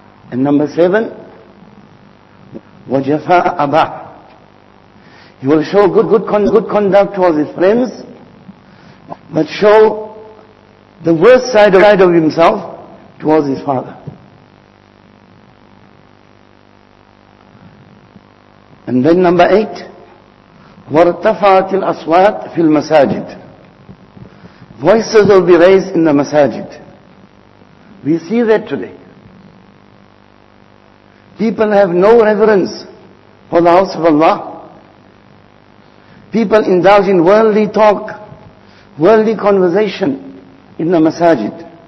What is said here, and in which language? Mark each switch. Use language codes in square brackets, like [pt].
[en] And number 7, [ar] وَجَفَى أَبَاهُ. [en] He will show good conduct towards his friends, but show the worst side of himself towards his father. And then number 8, [ar] وَرْتَفَعَتِ الْأَصْوَاتِ فِي الْمَسَاجِدِ. [en] Voices will be raised in the masajid. We see that today. People have no reverence for the house of Allah. People indulge in worldly talk, worldly conversation in the masajid.